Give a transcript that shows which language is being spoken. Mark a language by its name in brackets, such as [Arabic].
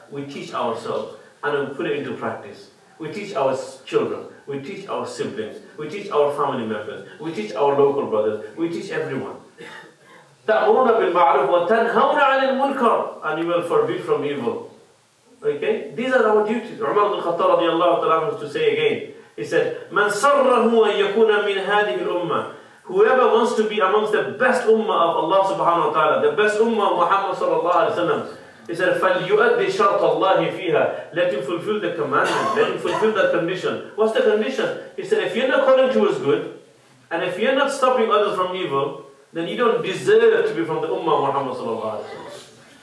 [English] We teach ourselves and we put it into practice. We teach our children. We teach our siblings. We teach our family members. We teach our local brothers. We teach everyone. [Arabic] تَأْمُرُونَ بِالْمَعْرُفِ وَتَنْهَوْنَ عَنِ الْمُنْكَرِ. [English] And you will forbid from evil. Okay? These are our duties. Umar ibn Khattab radiallahu ta'ala used to say again. He said, [Arabic] مَنْ سَرَّهُ أَنْ يَكُونَ مِنْ هَذِهِ الْأُمَّةِ. [English] Whoever wants to be amongst the best ummah of Allah subhanahu wa ta'ala, the best ummah of Muhammad sallallahu alayhi wa sallam, he said, [Arabic] فَلْيُؤَدِّ شَرْطَ اللَّهِ فِيهَا. [English] Let him fulfill the commandment, let him fulfill that condition. What's the condition? He said, if you're not calling towards good, and if you're not stopping others from evil, then you don't deserve to be from the ummah of Muhammad sallallahu alayhi wa sallam.